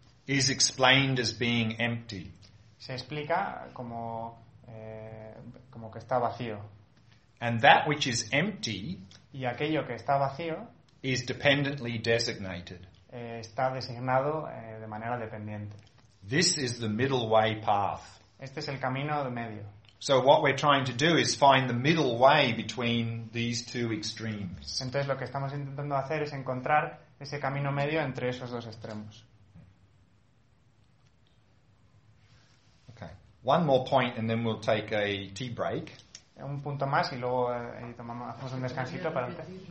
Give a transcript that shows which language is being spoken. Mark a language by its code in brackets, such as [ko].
[en] is explained as being empty. [es] Se explica como como que está vacío. [en] And that which is empty, [es] y aquello que está vacío [en] is dependently designated. [es] Está designado de manera dependiente. [en] This is the middle way path. [es] Este es el camino de medio. [en] So what we're trying to do is find the middle way between these two extremes. [es] Entonces lo que estamos intentando hacer es encontrar ese camino medio entre esos dos extremos. [en] Okay. One more point and then we'll take a tea break. [es] Un punto más y luego hacemos un descansito para antes.